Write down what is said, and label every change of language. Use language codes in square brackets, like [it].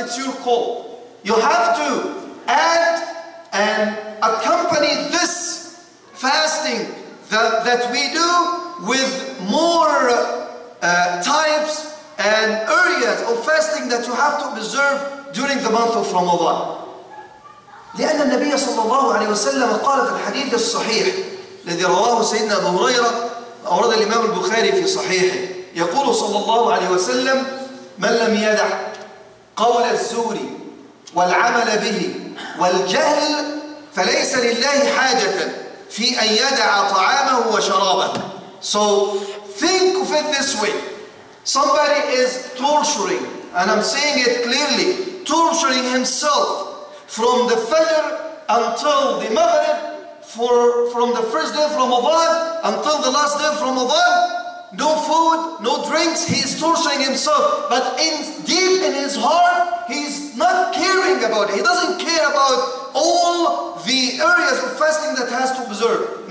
[en] It's your call. You have to add and accompany this fasting that we do with more types and areas of fasting that you have to observe during the month of Ramadan. [ar] لأن النبي صلى الله عليه وسلم قال في الحديث الصحيح الذي رواه سيدنا أبو هريرة أورد الإمام البخاري في صحيحه يقول صلى الله عليه وسلم من لم يدع قول الزور والعمل به والجهل فليس لله حاجة في أن يدع طعامه وشرابه. [en] So think of it this way. Somebody is torturing, and I'm saying it clearly, torturing himself from the Fajr until the Maghrib, from the first day of Ramadan until the last day of Ramadan. No food, no drinks, he is torturing himself. But deep in his heart, he's not caring about it. He doesn't care about all the areas of fasting that has to observe.